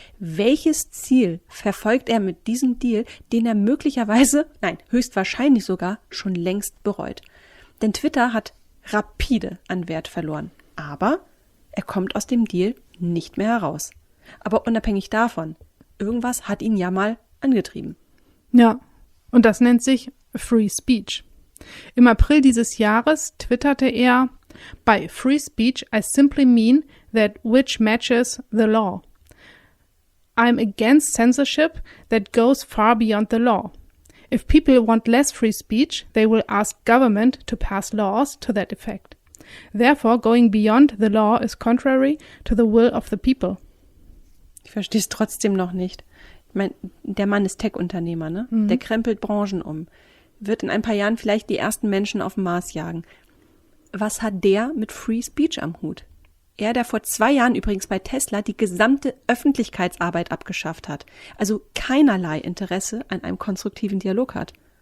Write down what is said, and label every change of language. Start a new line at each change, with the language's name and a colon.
German: Welches Ziel verfolgt er mit diesem Deal, den er möglicherweise, nein, höchstwahrscheinlich sogar, schon längst bereut? Denn Twitter hat rapide an Wert verloren. Aber er kommt aus dem Deal nicht mehr heraus. Aber unabhängig davon, irgendwas hat ihn ja mal angetrieben. Ja, und das nennt sich Free Speech. Im April dieses Jahres twitterte er:
English: "By free speech, I simply mean that which matches the law. I'm against censorship that goes far beyond the law. If people want less free speech, they will ask government to pass laws to that effect. Therefore, going beyond the law is contrary to the will of the people."
German: Ich verstehe es trotzdem noch nicht. Ich meine, der Mann ist Tech-Unternehmer, ne? Mhm. Der krempelt Branchen um. Wird in ein paar Jahren vielleicht die ersten Menschen auf dem Mars jagen. Was hat der mit Free Speech am Hut? Er, der vor 2 Jahren übrigens bei Tesla die gesamte Öffentlichkeitsarbeit abgeschafft hat, also keinerlei Interesse an einem konstruktiven Dialog hat.